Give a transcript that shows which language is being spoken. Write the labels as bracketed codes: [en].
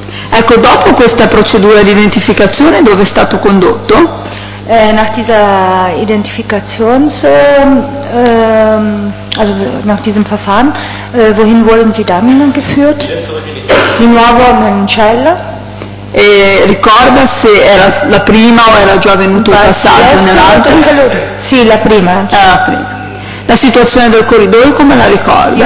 [it] Ecco, dopo questa procedura di identificazione, dove è stato condotto? [de] Nach dieser Identifikations, also nach diesem Verfahren, wohin wurden Sie dann geführt? [it] Di nuovo in cella. E ricorda se era la prima o era già venuto un passaggio nell'altro? Sì, la prima. La prima. La situazione del corridoio come la ricorda?